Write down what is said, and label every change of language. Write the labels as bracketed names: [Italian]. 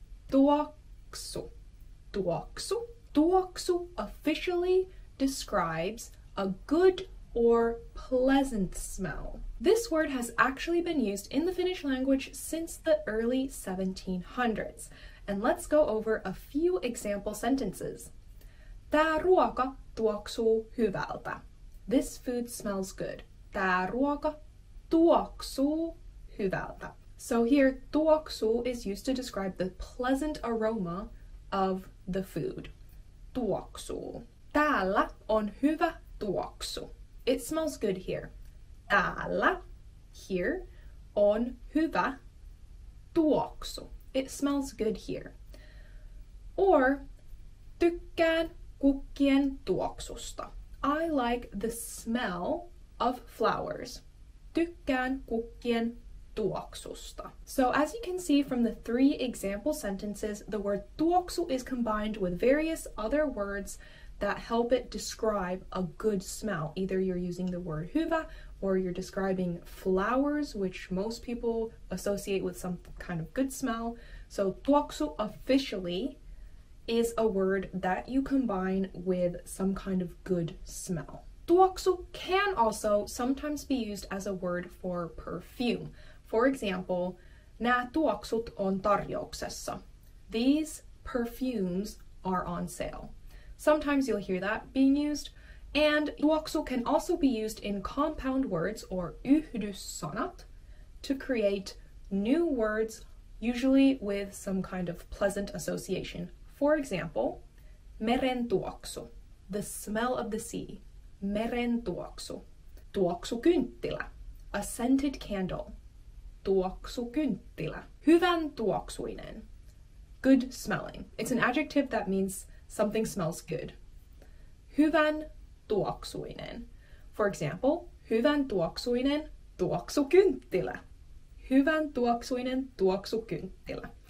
[English] Tuoksu. Tuoksu. Tuoksu officially describes a good or pleasant smell. This word has actually been used in the Finnish language since the early 1700s. And let's go over a few example sentences. [Finnish] Tää ruoka tuoksuu hyvältä. [English] This food smells good. [Finnish] Tää ruoka tuoksuu hyvältä. [English] So here, tuoksu is used to describe the pleasant aroma of the food. [Finnish] Tuoksu. Täällä on hyvä tuoksu. [English] It smells good here. [Finnish] Täällä. [English] Here. [Finnish] On hyvä tuoksu. [English] It smells good here. [Finnish] Or, tykkään kukkien tuoksusta. [English] I like the smell of flowers. [Finnish] Tykkään kukkien tuoksusta. [English] So as you can see from the three example sentences, the word tuoksu is combined with various other words that help it describe a good smell. Either you're using the word hyvä or you're describing flowers, which most people associate with some kind of good smell. So tuoksu officially is a word that you combine with some kind of good smell. Tuoksu can also sometimes be used as a word for perfume. For example, [Finnish] nää tuoksut on tarjouksessa. [English] These perfumes are on sale. Sometimes you'll hear that being used. And tuoksu can also be used in compound words or yhdyssanat to create new words, usually with some kind of pleasant association. For example, [Finnish] meren tuoksu, [English] the smell of the sea. [Finnish] Meren tuoksu. Tuoksu kynttilä, [English] a scented candle. [Finnish] Tuoksu kynttilä. Hyvän tuoksuinen. [English] Good smelling. It's an adjective that means something smells good. Hyvän tuoksuinen. For example, [Finnish] hyvän tuoksuinen tuoksu kynttilä. Hyvän tuoksuinen tuoksu kynttilä.